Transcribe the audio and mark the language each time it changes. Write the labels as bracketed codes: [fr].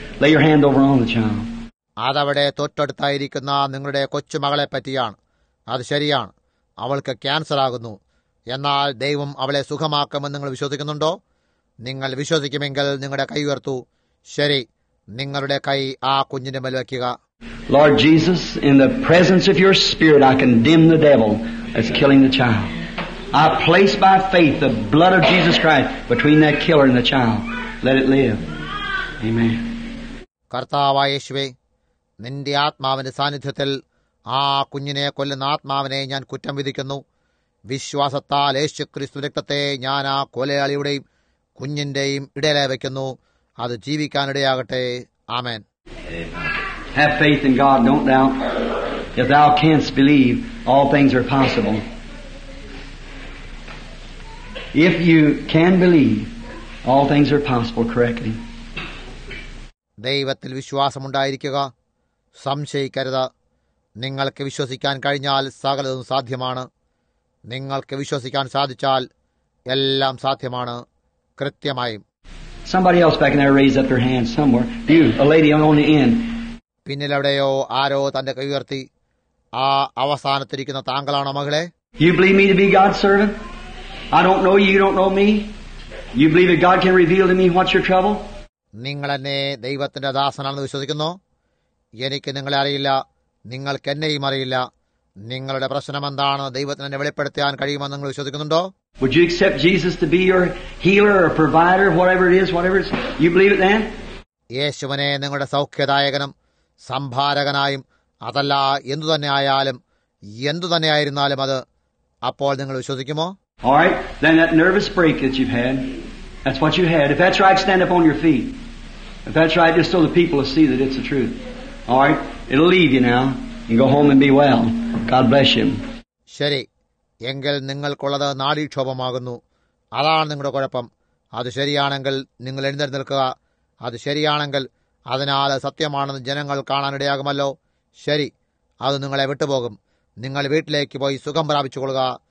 [en] Lay your hand over on the child. [ml] അതവിടെ തൊട്ടടുത്തായിരിക്കുന്ന നിങ്ങളുടെ കൊച്ചുമകളെ പറ്റിയാണ്. അത് ശരിയാണ്, അവൾക്ക് ക്യാൻസർ ആകുന്നു. എന്നാൽ ദൈവം അവളെ സുഖമാക്കുമെന്ന് നിങ്ങൾ വിശ്വസിക്കുന്നുണ്ടോ? നിങ്ങൾ വിശ്വസിക്കുമെങ്കിൽ നിങ്ങളുടെ കൈ ഉയർത്തു. ശരി, നിങ്ങളുടെ കൈ ആ കുഞ്ഞിന്റെ മേൽ വയ്ക്കുക. [en] Lord Jesus, in the presence of your spirit, I condemn the devil as killing the child. I place by faith the blood of Jesus Christ between that killer and the child. Let it live. Amen. [ml] കർത്താവായ യേശുവേ, നിന്റെ ആത്മാവിന്റെ സാന്നിധ്യത്തിൽ ആ കുഞ്ഞിനെ കൊല്ലുന്ന ആത്മാവിനെ ഞാൻ കുറ്റം വിധിക്കുന്നു. വിശ്വാസത്താൽ യേശു ക്രിസ്തു രക്തത്തെ ഞാൻ ആ കൊലയാളിയുടെയും കുഞ്ഞിന്റെയും ഇടയിലായി വയ്ക്കുന്നു. അത് ജീവിക്കാനിടയാകട്ടെ. ആമേൻ. [en] Have faith in God, don't doubt. If thou canst believe, all things are possible. If you can believe, all things are possible correctly. [ml] ദൈവത്തിൽ വിശ്വാസം ഉണ്ടായിരിക്കുക. സംശയിക്കരുത്. നിങ്ങൾക്ക് വിശ്വസിക്കാൻ കഴിഞ്ഞാൽ സകലതും സാധ്യമാണ്. നിങ്ങൾക്ക് വിശ്വസിക്കാൻ സാധിച്ചാൽ എല്ലാം സാധ്യമാണ്. കൃത്യമായും. [en] Somebody else back in there raise up their hand somewhere. You, a lady on the end. [ml] പിന്നിലെവിടെയോ ആരോ തന്റെ കൈ ഉയർത്തി. ആ അവസാനത്തിരിക്കുന്ന താങ്കളാണോ മകളെ? [en] You believe me to be God's servant? I don't know you, you don't know me. You believe that God can reveal to me what's your trouble? [ml] നിങ്ങൾ എന്നെ ദൈവത്തിന്റെ ദാസനാണെന്ന് വിശ്വസിക്കുന്നു. എനിക്ക് നിങ്ങളെ അറിയില്ല. നിങ്ങൾക്കെന്നെയും അറിയില്ല. നിങ്ങളുടെ പ്രശ്നം എന്താണെന്ന് ദൈവത്തിന് എന്നെ വെളിപ്പെടുത്താൻ കഴിയുമെന്ന് നിങ്ങൾ വിശ്വസിക്കുന്നുണ്ടോ? [en] Would you accept Jesus to be your healer or provider, whatever it is, whatever it is? You believe it then? [ml] യേശുവിനെ നിങ്ങളുടെ സൗഖ്യദായകനും സംഭാരകനായും അതല്ല എന്തുതന്നെയായിരുന്നാലും അത് അപ്പോൾ നിങ്ങൾ വിശ്വസിക്കുമോ? [en] All right, then that nervous break that you've had, that's what you had. If that's right, stand up on your feet. If that's right, just so the people will see that it's the truth. All right, it'll leave you now. You go home and be well. God bless you. [ml] ശരി, എങ്കിൽ നിങ്ങൾക്കുള്ളത് നാഡീക്ഷോഭമാകുന്നു. അതാണ് നിങ്ങളുടെ കുഴപ്പം. അത് ശരിയാണെങ്കിൽ നിങ്ങൾ എഴുന്നേറ്റ് നിൽക്കുക. അത് ശരിയാണെങ്കിൽ അതിനാൽ സത്യമാണെന്ന് ജനങ്ങൾ കാണാനിടയാകുമല്ലോ. ശരി, അത് നിങ്ങളെ വിട്ടുപോകും. നിങ്ങൾ വീട്ടിലേക്ക് പോയി സുഖം പ്രാപിച്ചുകൊള്ളുക.